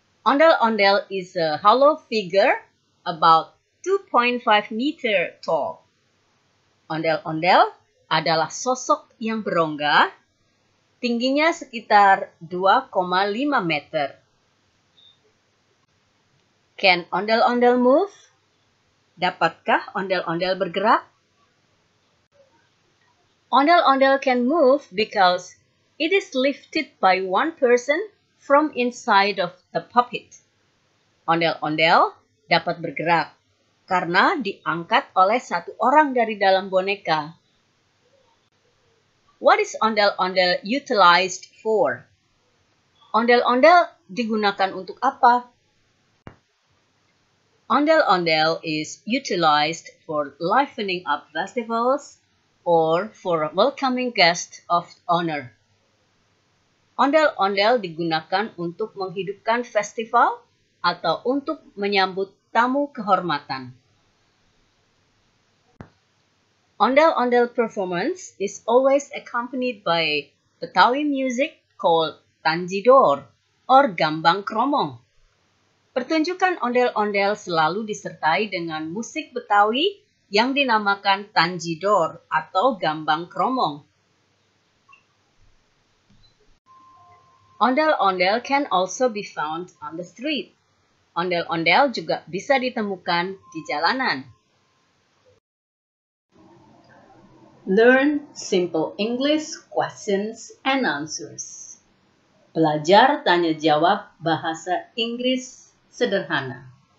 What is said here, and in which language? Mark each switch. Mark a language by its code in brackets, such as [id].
[en] Ondel-ondel is a hollow figure about 2.5 meter tall. [id] Ondel-ondel adalah sosok yang berongga, tingginya sekitar 2,5 meter. [en] Can ondel-ondel move? [id] Dapatkah ondel-ondel bergerak? [en] Ondel-ondel can move because it is lifted by one person from inside of the puppet. [id] Ondel-ondel dapat bergerak karena diangkat oleh satu orang dari dalam boneka. What is ondel-ondel utilized for? Ondel-ondel digunakan untuk apa? [en] Ondel-ondel is utilized for livening up festivals or for welcoming guests of honor. [id] Ondel-ondel digunakan untuk menghidupkan festival atau untuk menyambut tamu kehormatan. [en] Ondel-ondel performance is always accompanied by Betawi music called tanjidor or gambang kromong. [id] Pertunjukan ondel-ondel selalu disertai dengan musik Betawi yang dinamakan tanjidor atau gambang kromong. [en] Ondel-ondel can also be found on the street. [id] Ondel-ondel juga bisa ditemukan di jalanan. [en] Learn simple English questions and answers. [id] Belajar tanya jawab bahasa Inggris sederhana.